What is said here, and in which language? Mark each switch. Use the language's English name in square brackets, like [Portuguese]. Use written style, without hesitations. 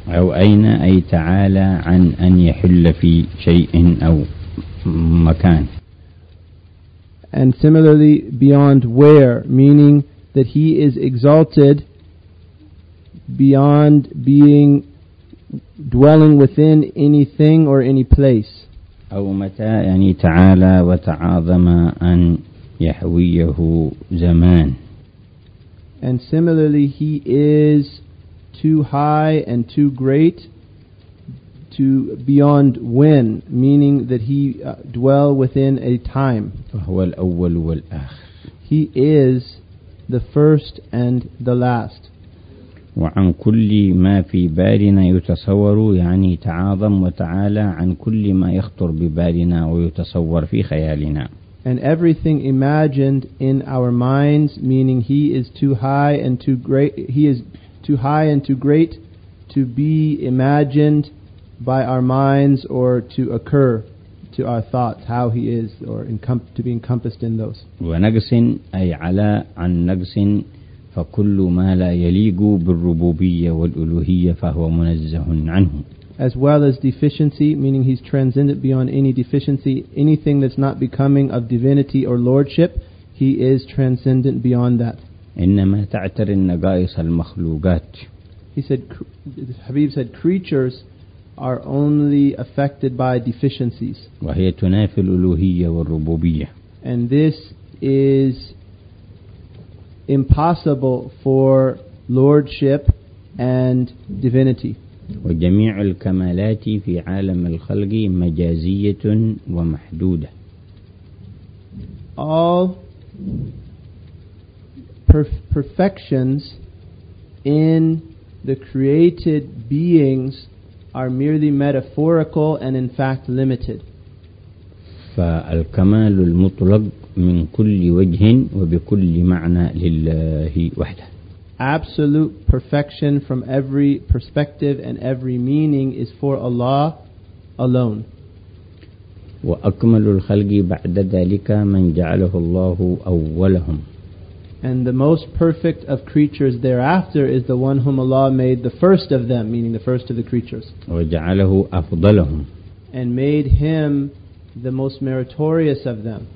[Arabic] أو أين أي تعالى عن أن يحل في شيء أو مكان. [English] And similarly beyond where, meaning that he is exalted beyond being dwelling within anything or any place. [Arabic] أو متى يعني تعالى وتعاظم أن يحويه زمان. [English] And similarly, he is too high and too great to beyond when, meaning that he dwell within a time. [Arabic] فهو الأول والآخر. [English] He is the first and the last. [Arabic] وعن كل ما في بالنا يتصور يعني تعاظم وتعالى عن كل ما يخطر ببالنا ويتصور في خيالنا. [English] And everything imagined in our minds, meaning he is too high and too great, he is too high and too great to be imagined by our minds or to occur to our thoughts, how he is or to be encompassed in those. [Arabic] ونقص أي على عن نقص. فكل ما لا يليق بالربوبية والألوهية فهو منزه عنه. [English] As well as deficiency, meaning he's transcendent beyond any deficiency, anything that's not becoming of divinity or lordship, he is transcendent beyond that. [Arabic] إنما تعتري النقائص المخلوقات. [English] He said, Habib said, creatures are only affected by deficiencies. [Arabic] وهي تنافي الألوهية والربوبية. [English] And this is impossible for lordship and divinity. [Arabic] وجميع الكمالات في عالم الخلق مجازية ومحدودة. [English] All perfections in the created beings are merely metaphorical and in fact limited. [Arabic] فالكمال المطلق من كل وجه وبكل معنى لله وحده. [English] Absolute perfection from every perspective and every meaning is for Allah alone. [Arabic] وأكمل الخلق بعد ذلك من جعله الله أولهم. [English] And the most perfect of creatures thereafter is the one whom Allah made the first of them, meaning the first of the creatures. [Arabic] وجعله أفضلهم. [English] And made him the most meritorious of them.